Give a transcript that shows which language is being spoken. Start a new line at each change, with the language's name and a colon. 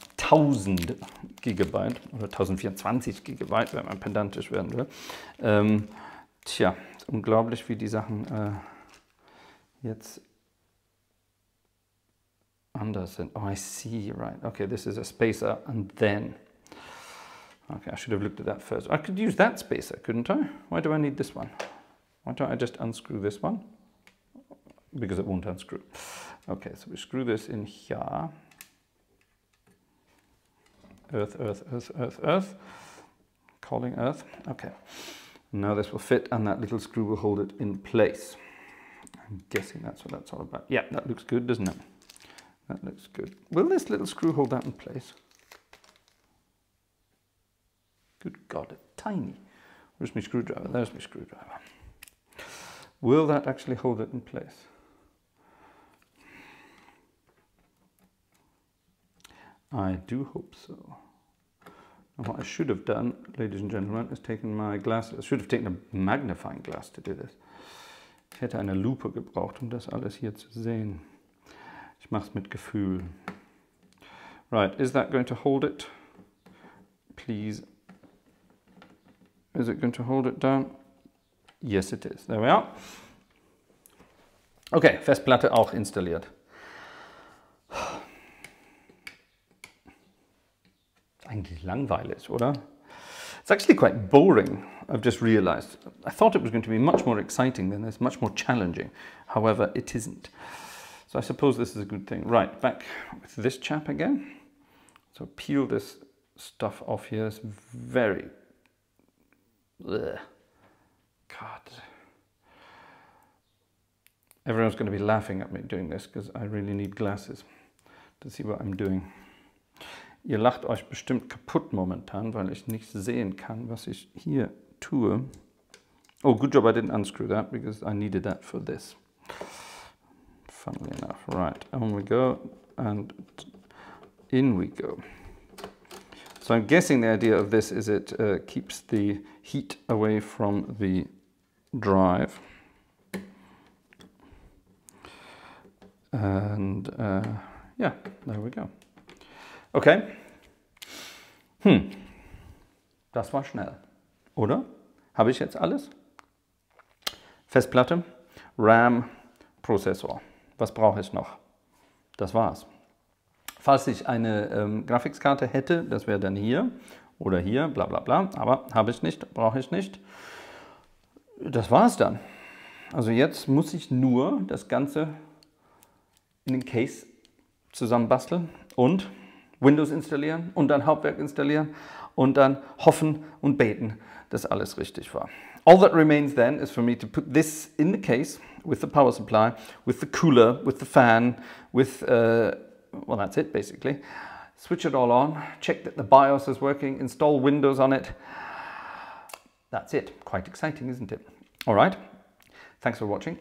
German: 1000 Gigabyte oder 1024 Gigabyte, wenn man pedantisch werden will. Tja, unglaublich, wie die Sachen jetzt anders sind.
English: Oh, I see, right. Okay, this is a spacer and then. Okay, I should have looked at that first. I could use that spacer, couldn't I? Why do I need this one? Why don't I just unscrew this one? Because it won't unscrew. Okay, so we screw this in here. Earth, earth, earth, earth, earth. Calling earth. Okay. Now this will fit and that little screw will hold it in place. I'm guessing that's what that's all about. Yeah, that looks good, doesn't it? That looks good. Will this little screw hold that in place? Good God, tiny. Where's my screwdriver? There's my screwdriver. Will that actually hold it in place? I do hope so. And what I should have done, ladies and gentlemen, is taken my glasses. I should have taken a magnifying glass to do this.
German: Ich hätte eine Lupe gebraucht, um das alles hier zu sehen. Ich mach's mit Gefühl.
English: Right, is that going to hold it? Please. Is it going to hold it down? Yes, it is. There we are.
German: Okay, Festplatte auch installiert. Eigentlich langweilig, oder?
English: It's actually quite boring, I've just realized. I thought it was going to be much more exciting than this, much more challenging. However, it isn't. So I suppose this is a good thing. Right, back with this chap again. So peel this stuff off here. It's very... Ugh. God. Everyone's going to be laughing at me doing this because I really need glasses to see what I'm doing.
German: Ihr lacht euch bestimmt kaputt momentan, weil ich nicht sehen kann, was ich hier tue.
English: Oh, good job I didn't unscrew that because I needed that for this. Funnily enough. Right, on we go and in we go. So I'm guessing the idea of this is it keeps the heat away from the drive. And yeah, there we go. Okay. Hm.
German: Das war schnell, oder? Habe ich jetzt alles? Festplatte, RAM, Prozessor. Was brauche ich noch? Das war's. Falls ich eine Grafikkarte hätte, das wäre dann hier oder hier, bla bla bla. Aber habe ich nicht, brauche ich nicht. Das war's dann. Also jetzt muss ich nur das Ganze in den Case zusammenbasteln und Windows installieren und dann Hauptwerk installieren und dann hoffen und beten, dass alles richtig war.
English: All that remains then is for me to put this in the case with the power supply, with the cooler, with the fan, with... Well, that's it, basically. Switch it all on, check that the BIOS is working, install Windows on it. That's it. Quite exciting, isn't it? All right. Thanks for watching.